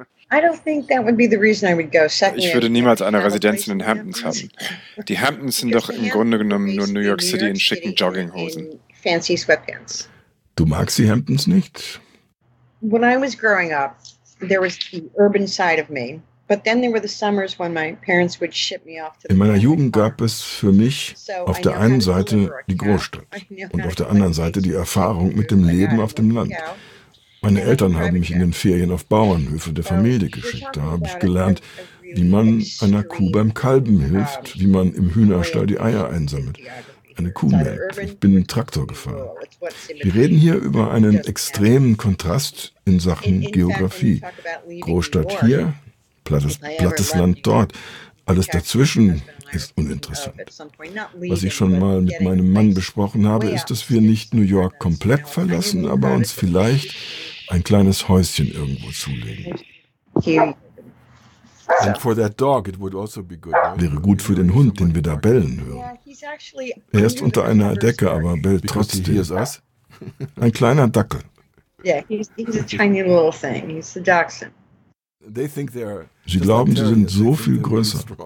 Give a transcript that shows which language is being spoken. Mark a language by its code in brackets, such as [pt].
[en] I don't think that would be the reason I would go. [de] Ich würde niemals eine Residenz in den Hamptons haben. Die Hamptons sind doch im Grunde genommen nur New York City in schicken Jogginghosen. [en] Fancy sweatpants. [de] Du magst die Hamptons nicht? [en] When I was growing up, there was the urban side of me. But then there were the summers when my parents would ship me off to the [de] In meiner Jugend gab es für mich auf der einen Seite die Großstadt und auf der anderen Seite die Erfahrung mit dem Leben auf dem Land. Meine Eltern haben mich in den Ferien auf Bauernhöfe der Familie geschickt. Da habe ich gelernt, wie man einer Kuh beim Kalben hilft, wie man im Hühnerstall die Eier einsammelt. Eine Kuh melkt. Ich bin im Traktor gefahren. Wir reden hier über einen extremen Kontrast in Sachen Geografie. Großstadt hier, Plattes Land dort. Alles dazwischen ist uninteressant. Was ich schon mal mit meinem Mann besprochen habe, ist, dass wir nicht New York komplett verlassen, aber uns vielleicht ein kleines Häuschen irgendwo zulegen. [en] And for that dog, it would also be good. [de] Wäre gut für den Hund, den wir da bellen hören. Er ist unter einer Decke, aber bellt trotzdem. [en] Because he hears us. [de] Ein kleiner Dackel. [en] Yeah, he's a tiny little thing. He's the dachshund. They think they are [de] sie glauben, sie sind so viel größer.